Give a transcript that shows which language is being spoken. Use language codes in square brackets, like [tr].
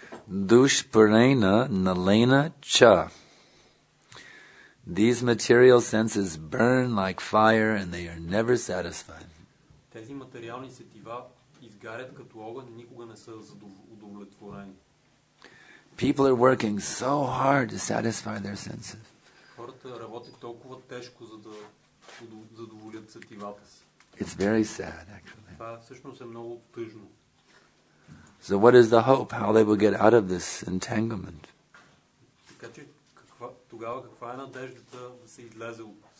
[en] Dushparena nalena cha. These material senses burn like fire and they are never satisfied. [bg] Тези материални сетива изгарят като огън и никога не са удовлетворени. [en] People are working so hard to satisfy their senses. [bg] Хората работят толкова тежко, за да задоволят сетивата си. [en] It's very sad, actually. [bg] Това всъщност е много тъжно. [en] So what is the hope? How they will get out of this entanglement? [bg] Така че тогава каква е надеждата да се излезе от...